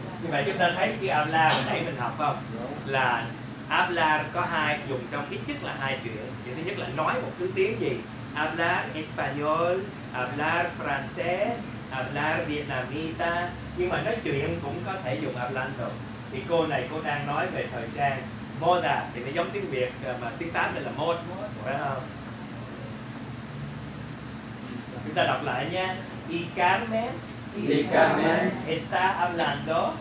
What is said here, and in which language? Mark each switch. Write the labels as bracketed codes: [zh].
[vi] Vậy chúng ta thấy chữ hablar ở đây mình học không? Là hablar có hai, dùng trong ít nhất là hai chuyện. Chuyện thứ nhất là nói một thứ tiếng gì. [es] Hablar español, hablar francés, hablar vietnamita. [vi] Nhưng mà nói chuyện cũng có thể dùng hablando. Thì cô này cô đang nói về thời trang. Moda thì nó giống tiếng Việt mà tiếng Pháp đây là mode, phải không? Chúng ta đọc lại nha. Y Carmen. [es] Y Carmen. Está hablando.